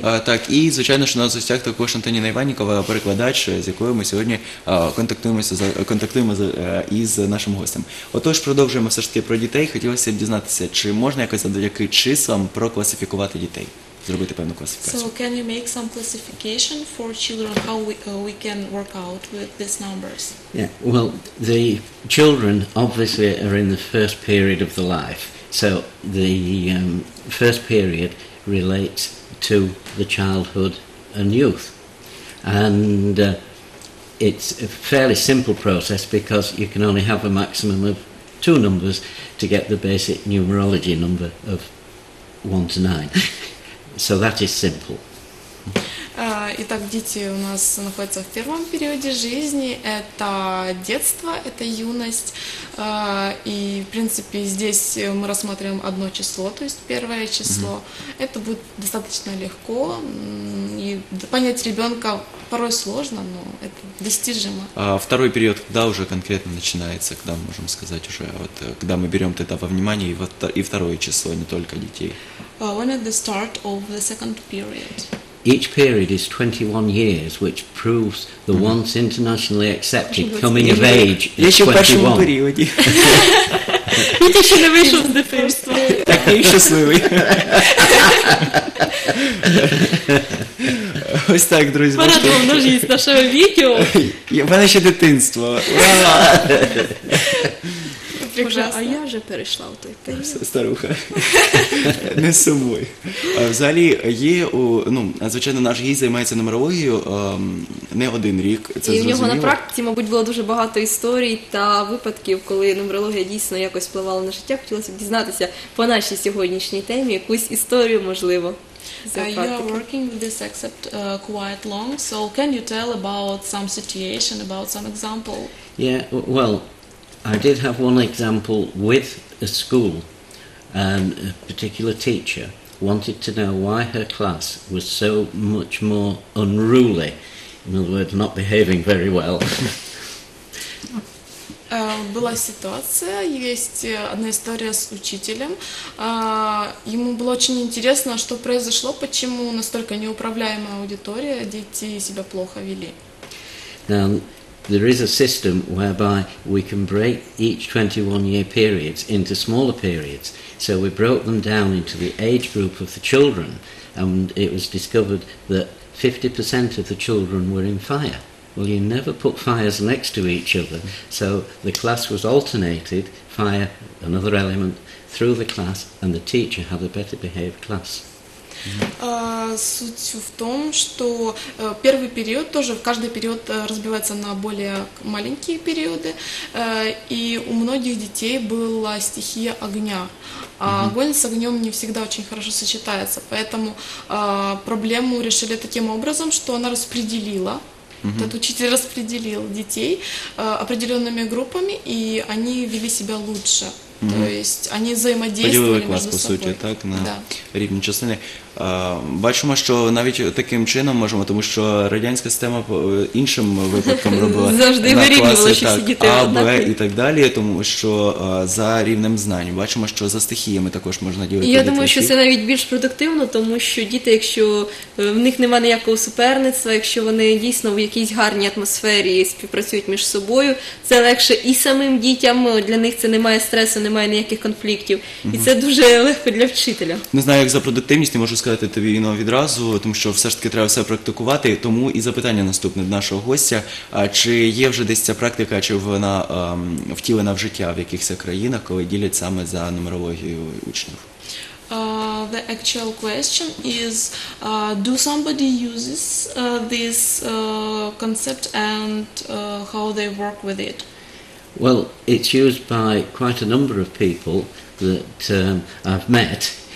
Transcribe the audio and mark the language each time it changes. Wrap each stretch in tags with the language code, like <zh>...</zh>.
<uk>Так, і звичайно, що на гостях також Антоніна Іванікова, перекладач, з якою ми сьогодні контактуємо із нашим гостем. Отож, продовжуємо все ж таки про дітей. Хотілося б дізнатися, чи можна якось завдяки числам прокласифікувати дітей, зробити певну класифікацію.</uk> <en>So can you make some classification for children, how we can work out with these numbers? Yeah, well, the children obviously are in the first period of the life. So the first period relates to the childhood and youth. And it's a fairly simple process because you can only have a maximum of 2 numbers to get the basic numerology number of 1 to 9. So that is simple.</en> <ru>Итак, дети у нас находятся в первом периоде жизни. Это детство, это юность. И, в принципе, здесь мы рассматриваем одно число, то есть первое число. Mm-hmm. Это будет достаточно легко. И понять ребенка порой сложно, но это достижимо. А второй период, когда уже конкретно начинается, когда мы можем сказать уже, вот, когда мы берем это во внимание, и второе число, и не только детей?</ru> <en>When at the start of the second period? Each period is 21 years, which proves the mm-hmm. once internationally accepted coming of age is 21.</en> <ru>Я ещё в первом периоде. Я ещё не вышла из дефенства. Так, я счастливый.</ru> <uk>Ось так, друзі. Порадова множість нашого відео. У мене ще дитинство. Боже, а я вже перейшла в той період. Старуха, не сумуй. Взагалі, є, ну, звичайно, наш гість займається нумерологією не один рік, це зрозуміло. І в нього на практиці, мабуть, було дуже багато історій та випадків, коли нумерологія дійсно якось впливала на життя. Хотілося б дізнатися по нашій сьогоднішній темі якусь історію, можливо.</uk> <en>You are working with this accept quite long, so can you tell about some situation, about some example? Yeah, well, I did have one example with a school, and a particular teacher wanted to know why her class was so much more unruly, in other words, not behaving very well.</en> <ru>Была ситуация, есть одна история с учителем. Ему было очень интересно, что произошло, почему настолько неуправляемая аудитория, дети себя плохо вели.</ru> <en>Now, there is a system whereby we can break each 21-year periods into smaller periods. So we broke them down into the age group of the children, and it was discovered that 50% of the children were in fire. Well, you never put fires next to each other, so the class was alternated, fire, another element, through the class, and the teacher had a better behaved class.</en> <ru>Суть в том, что первый период тоже, каждый период разбивается на более маленькие периоды, и у многих детей была стихия огня. А огонь с огнем не всегда очень хорошо сочетается, поэтому проблему решили таким образом, что она распределила. Этот учитель распределил детей определенными группами, и они вели себя лучше. То есть они взаимодействовали</ru> <uk>Поділили клас,</uk> <ru>между по собой.</ru> <uk>Сути, так, на рівні частини. Бачимо, що навіть таким чином можемо, тому що радянська система іншим випадком робила. Завжди вирівнювала, що всі діти А, Б і так далі, тому що за рівнем знань. Бачимо, що за стихіями також можна ділити. Я думаю, що це навіть більш продуктивно, тому що діти, якщо в них нема ніякого суперництва, якщо вони дійсно в якійсь гарній атмосфері співпрацюють між собою, це легше і самим дітям, для них це немає стресу, немає ніяких конфліктів. І це дуже легко для вчителя. Не знаю, як за продуктивність, можу сказати тобі, Інно, відразу, тому що все ж таки треба все практикувати, тому і запитання наступне до нашого гостя. Чи є вже десь ця практика, чи вона втілена в життя в якихось країнах, коли ділять саме за нумерологією учнів?</uk> <en>The actual question is, do somebody uses this concept and how they work with it? Well, it's used by quite a number of people that I've met.</en>